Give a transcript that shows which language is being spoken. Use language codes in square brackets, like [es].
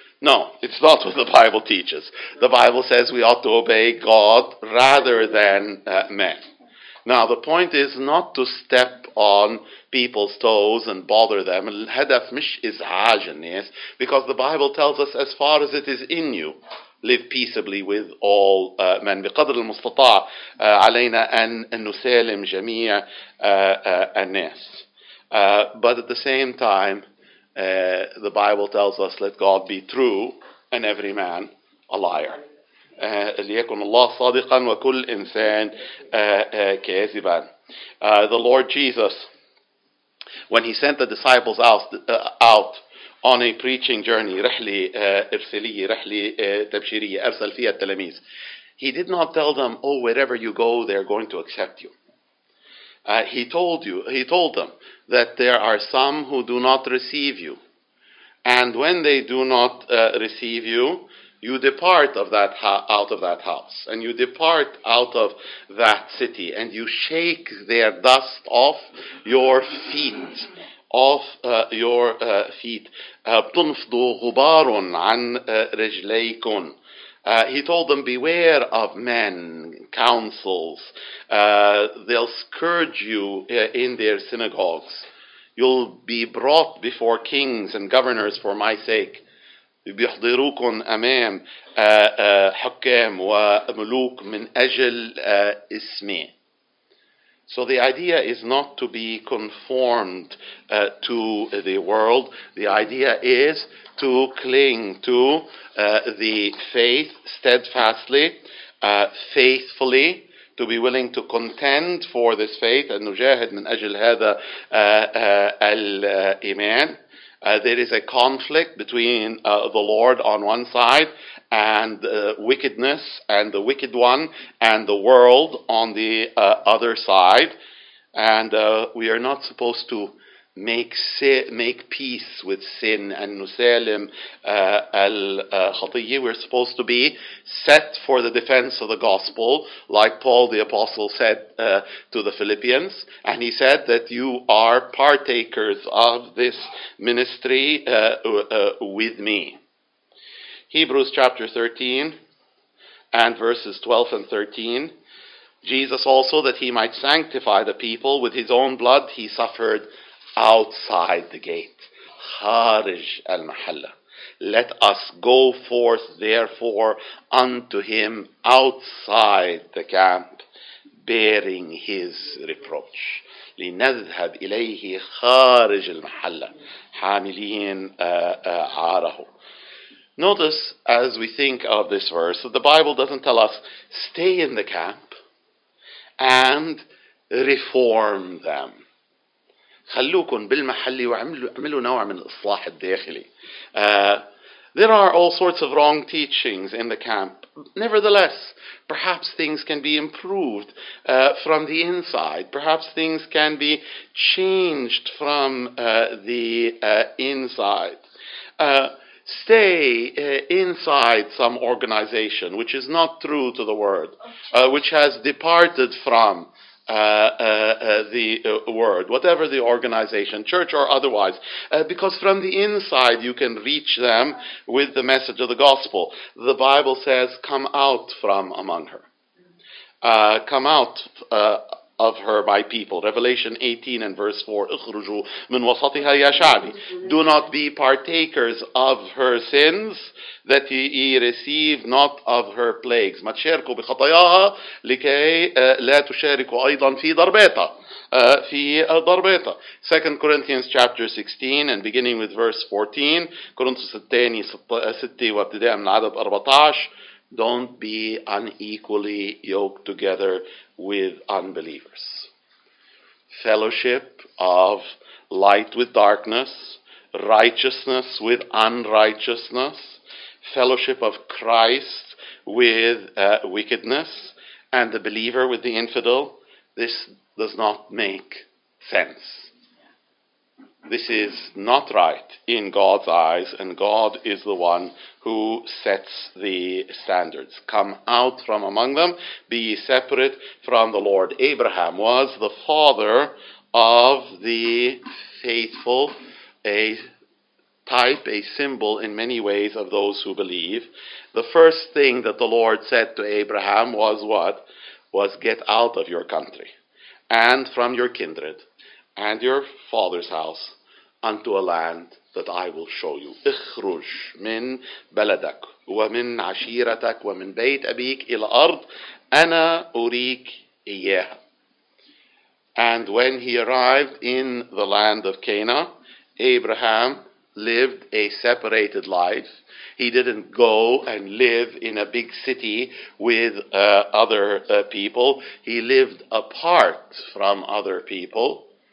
[en] No, it's not what the Bible teaches. The Bible says we ought to obey God rather than men. Now, the point is not to step on people's toes and bother them. [ar] الهدف مش إزعاج الناس, [en] because the Bible tells us, as far as it is in you, live peaceably with all men. [ar] بقدر المستطاع علينا أن نسالم جميع الناس. [en] But at the same time, the Bible tells us, let God be true and every man a liar. [ar] ليكن الله صادقا وكل إنسان كاذبا. [en] The Lord Jesus, when he sent the disciples out on a preaching journey, [ar] رحلة إرسالية, رحلة تبشيرية, أرسل فيها التلاميذ, [en] he did not tell them, oh, wherever you go, they're going to accept you. He told them that there are some who do not receive you. And when they do not receive you, you depart of that out of that house, and you depart out of that city, and you shake their dust off your feet, [ar] تنفضوا غبار عن رجليكم. [en] He told them, beware of men, councils. They'll scourge you in their synagogues. You'll be brought before kings and governors for my sake. [ar] بيحضروكم أمام حكام وملوك من أجل اسمي. [en] So the idea is not to be conformed to the world. The idea is to cling to the faith steadfastly, faithfully, to be willing to contend for this faith. [ar] النجاهد من أجل هذا الإيمان. [en] There is a conflict between the Lord on one side and wickedness and the wicked one and the world on the other side. And we are not supposed to make peace with sin and [ar] نسالم الخطية. [en] We're supposed to be set for the defense of the gospel, like Paul the Apostle said to the Philippians. And he said that you are partakers of this ministry with me. Hebrews chapter 13 and verses 12 and 13. Jesus also, that he might sanctify the people, with his own blood he suffered outside the gate. [ar] خارج المحلة. [en] Let us go forth therefore unto him outside the camp, bearing his reproach. [ar] لنذهب إليه خارج المحلة حاملين عاره. [en] Notice, as we think of this verse, that the Bible doesn't tell us, stay in the camp and reform them. [ar] خلوكم بالمحل وعملوا نوع من الإصلاح الداخلي. [en] There are all sorts of wrong teachings in the camp. Nevertheless, perhaps things can be improved from the inside. Perhaps things can be changed from the inside. Stay inside some organization which is not true to the word, which has departed from word, whatever the organization, church or otherwise, because from the inside you can reach them with the message of the gospel. The Bible says, come out from among her. Come out of her, my people. Revelation 18 and verse 4. [ar] اخرجوا من وسطها يا شعبي. [en] Do not be partakers of her sins, that ye receive not of her plagues. [ar] ما تشاركوا بخطاياها لكي لا تشاركوا أيضا في ضربتها. في ضربتها. [en] 2 Corinthians chapter 16 and beginning with verse 14. [ar] كورنثوس الثاني 6 وابتداء من عدد 14. [en] Don't be unequally yoked together with unbelievers. Fellowship of light with darkness, righteousness with unrighteousness, fellowship of Christ with wickedness, and the believer with the infidel, this does not make sense. This is not right in God's eyes, and God is the one who sets the standards. Come out from among them, be separate from the Lord. Abraham was the father of the faithful, a type, a symbol in many ways of those who believe. The first thing that the Lord said to Abraham was what? Was get out of your country and from your kindred and your father's house unto a land that I will show you. [ar] اخرج من بلدك ومن عشيرتك ومن بيت أبيك إلى أرض أنا أريك إياها. [en] And when he arrived in the land of Cana, Abraham lived a separated life. He didn't go and live in a big city with other people. He lived apart from other people.